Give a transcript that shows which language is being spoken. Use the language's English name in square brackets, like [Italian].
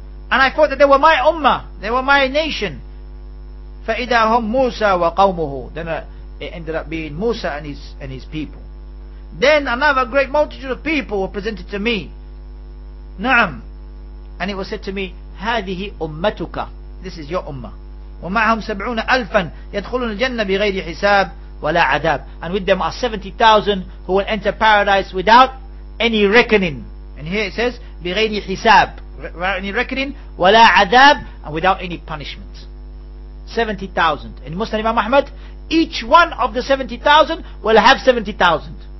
[English] And I thought that they were my ummah, they were my nation. [Arabic] Fa'ida hum Musa wa qawmuhu. [English] Then it ended up being Musa and his people. Then another great multitude of people were presented to me. Na'am. And it was said to me, [Arabic] هذه أمتك. [English] This is your ummah. [Arabic] ومعهم سبعون ألفا يدخلون الجنة بغير حساب ولا عذاب. [English] And with them are 70,000 who will enter paradise without any reckoning. And here it says, [Arabic] بغير حساب. [English] Without any reckoning, [Arabic] ولا عذاب, [English] and without any punishment. 70,000. In Muslim Imam Ahmad, each one of the 70,000 will have 70,000.